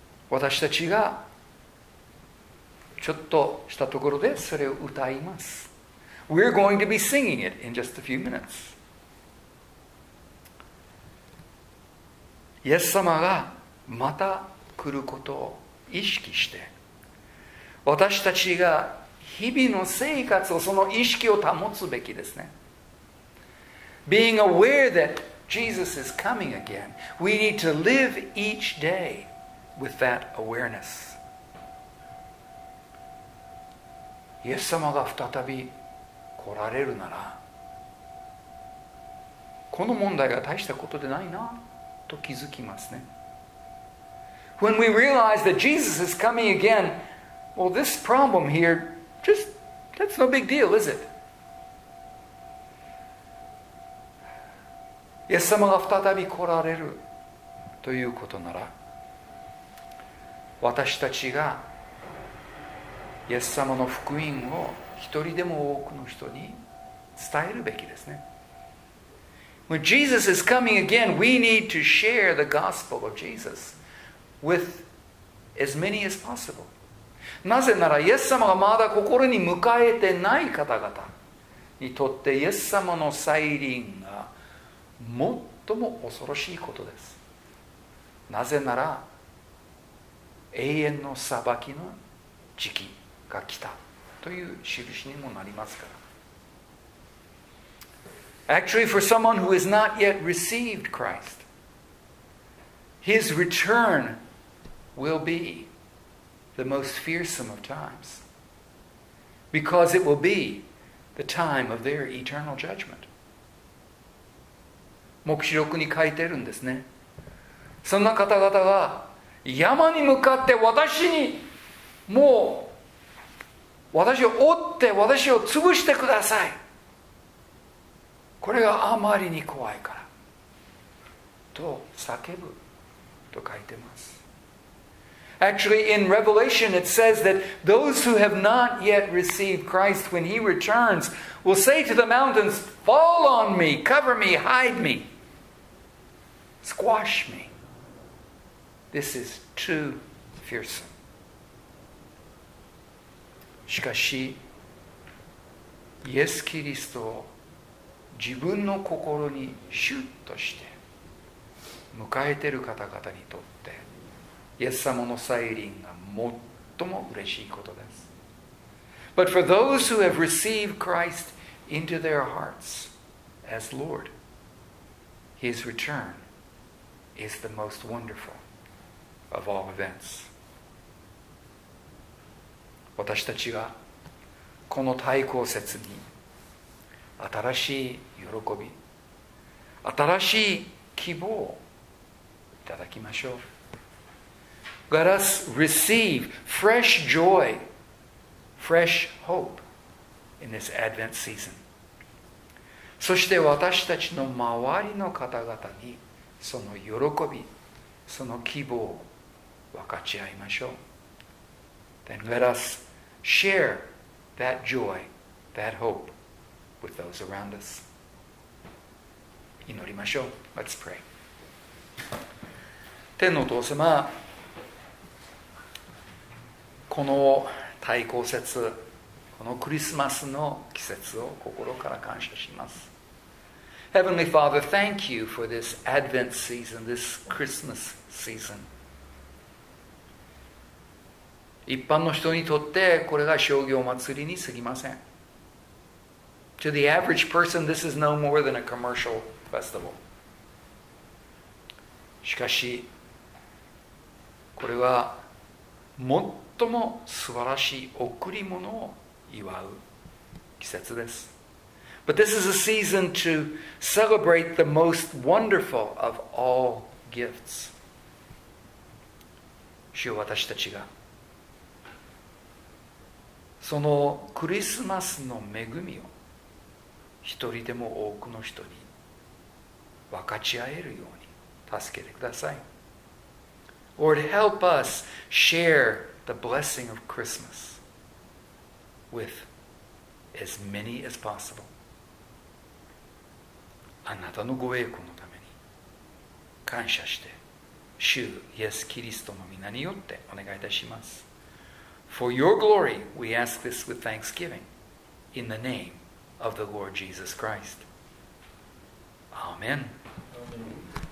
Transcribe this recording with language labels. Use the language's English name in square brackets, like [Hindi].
[Japanese] 私たちがちょっとしたところでそれを歌います。 [English] We're going to be singing it in just a few minutes. [Japanese] イエス様がまた来ることを意識して、私たちが日々の生活をその意識を保つべきですね。 [English] Being aware that Jesus is coming again, we need to live each day with that awareness. [Japanese] イエス様が再び来られるなら、この問題が大したことでないなと気づきますね。 [English] When we realize that Jesus is coming again, well, this problem here, just that's no big deal, is it? [Japanese] イエス様が再び来られるということなら、私たちがイエス様の福音を一人でも多くの人に伝えるべきですね。 [English] When Jesus is coming again, we need to share the gospel of Jesus with as many as possible. [Japanese] なぜなら、イエス様がまだ心に迎えてない方々にとって、イエス様の再臨が最も恐ろしいことです。なぜなら、永遠の裁きの時期が来たという印にもなりますから。 [English] Actually, for someone who has not yet received Christ, his return will be the most fearsome of times, because it will be the time of their eternal judgment. [Japanese] 黙示録に書いてるんですね。そんな方々が山に向かって私にもう私を追って私を潰してください、これがあまりに怖いからと叫ぶと書いてます。 [English] Actually, in Revelation it says that those who have not yet received Christ when he returns will say to the mountains, fall on me, cover me, hide me, squash me. This is too fearsome. [Japanese] しかし、イエス・キリストを自分の心にシュッとして迎えている方々にとって、イエス様の再臨が最も嬉しいことです。 [English] But for those who have received Christ into their hearts as Lord, his return is the most wonderful of all events. [Japanese] 私たちがこの大降節に新しい喜び、新しい希望をいただきましょう。 [English] Let us receive fresh joy, fresh hope in this Advent season. [Japanese] そして私たちの周りの方々にその喜び、その希望を分かち合いましょう。 [English] Then let us share that joy, that hope with those around us. [Japanese] 祈りましょう。 [English] Let's pray. [Japanese] 天のお父様、この大降節、このクリスマスの季節を心から感謝します。 [English] Heavenly Father, thank you for this Advent season, this Christmas season. [Japanese] 一般の人にとってこれが商業祭りに過ぎません。 [English] To the average person, this is no more than a commercial. Festival. [Japanese] しかしこれは最も素晴らしい贈り物を祝う季節です。 [English] But this is a season to celebrate the most wonderful of all gifts. [Japanese] 主よ、私たちがそのクリスマスの恵みを一人でも多くの人に分かち合えるように助けてください。 [English] Lord, help us share the blessing of Christmas with as many as possible. [Japanese] あなたのご栄光のために感謝して、主イエス・キリストの御名によってお願いいたします。 [English] For your glory, we ask this with thanksgiving in the name of the Lord Jesus Christ. Amen. Thank you.